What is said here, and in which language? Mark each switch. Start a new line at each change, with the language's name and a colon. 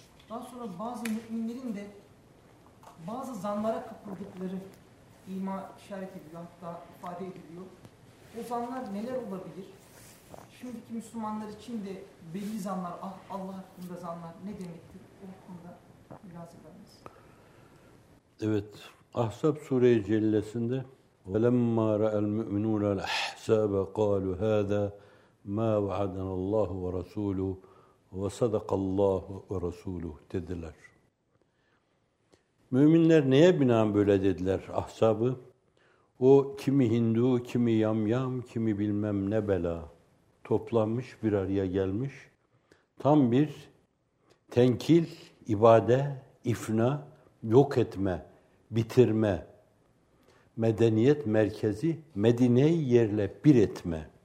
Turkish: Daha sonra bazı müminlerin de bazı zanlara kapıldıkları ima işaret ediliyor, hatta ifade ediliyor. O zanlar neler olabilir? şimdiki Müslümanlar için de belli zanlar, Allah hakkında zanlar ne demektir? O konuda biraz ilerlemez. Evet, Ahzab Sure-i Cellesi'nde
Arabic: وَلَمَّا رَأَ الْمُؤْمِنُونَ الْأَحْزَابَ قَالُوا هَذَا مَا وَعَدَنَ اللّٰهُ وَرَسُولُهُ وَصَدَقَ اللّٰهُ وَرَسُولُهُ
Turkish: dediler. Müminler neye binaen böyle dediler ahzabı? O kimi Hindu, kimi Yamyam, kimi bilmem ne bela toplanmış, bir araya gelmiş. Tam bir tenkil, ibade, ifna, yok etme, bitirme, medeniyet merkezi, Medine'yi yerle bir etme.